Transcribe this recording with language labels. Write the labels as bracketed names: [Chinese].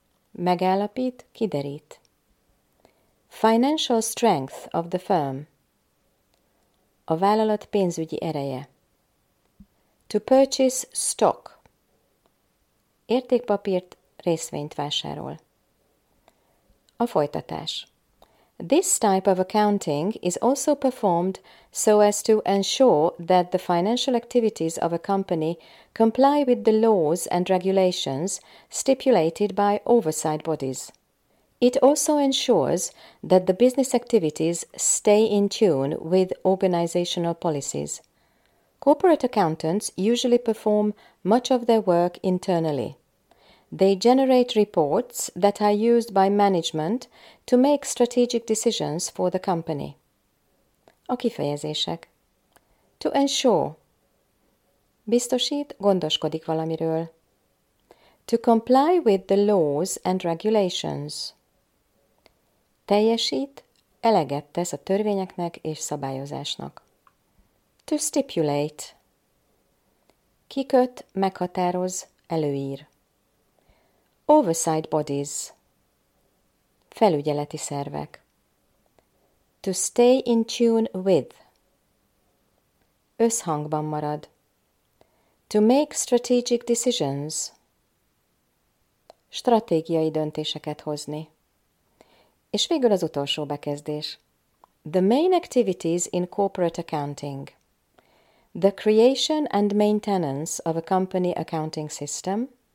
[Hungarian] Megállapít, kiderít. [English] Financial strength of the firm. [Hungarian] A vállalat pénzügyi ereje. [English] To purchase stock. [Hungarian] Értékpapírt, részvényt vásárol. A folytatás. [English] This type of accounting is also performed so as to ensure that the financial activities of a company comply with the laws and regulations stipulated by oversight bodies. It also ensures that the business activities stay in tune with organizational policies. Corporate accountants usually perform much of their work internally. They generate reports that are used by management to make strategic decisions for the company. [Hungarian] A kifejezések. [English] To ensure. [Hungarian] Biztosít, gondoskodik valamiről. [English] To comply with the laws and regulations. [Hungarian] Teljesít, eleget tesz a törvényeknek és szabályozásnak. [English] To stipulate. [Hungarian] Kiköt, meghatároz, előír. [English] Oversight bodies. [Hungarian] Felügyeleti szervek. [English] To stay in tune with. [Hungarian] Összhangban marad. [English] To make strategic decisions. [Hungarian] Stratégiai döntéseket hozni. És végül az utolsó bekezdés. [English] The main activities in corporate accounting. The creation and maintenance of a company accounting system.